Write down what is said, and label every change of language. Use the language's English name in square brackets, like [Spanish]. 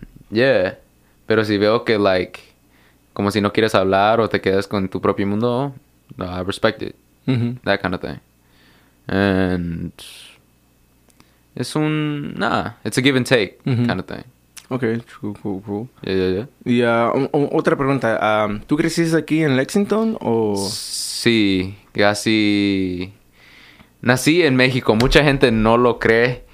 [Spanish] Yeah, pero si veo que, like, como si no quieres hablar o te quedas con tu propio mundo, no, [English] I respect it, [Spanish] mm-hmm. [English] that kind of thing, and [Spanish] es un, [English] nah, it's a give and take, mm-hmm. kind of thing. Okay, cool. Yeah. [Spanish] Y otra pregunta, ¿tú creciste aquí en Lexington o...? Sí, casi, nací en México, mucha gente no lo cree.